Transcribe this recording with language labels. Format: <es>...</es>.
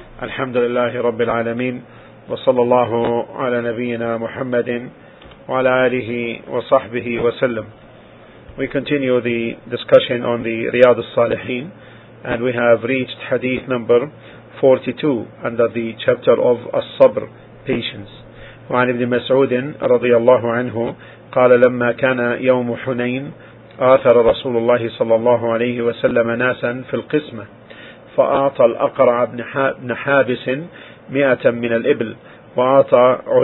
<ar>الحمد لله رب العالمين، وصلى الله على نبينا محمد وعلى آله وصحبه وسلم.</ar> <en>We continue the discussion on the Riyad al-Salihin, and we have reached hadith number 42 under the chapter of الصبر, patience.</en> <ar>وعن ابن مسعود رضي الله عنه قال لما كان يوم حنين آثر رسول الله صلى الله عليه وسلم ناسا في القسمة فأعطى الأقرع بن حابس 100 من الإبل وأعطى</ar>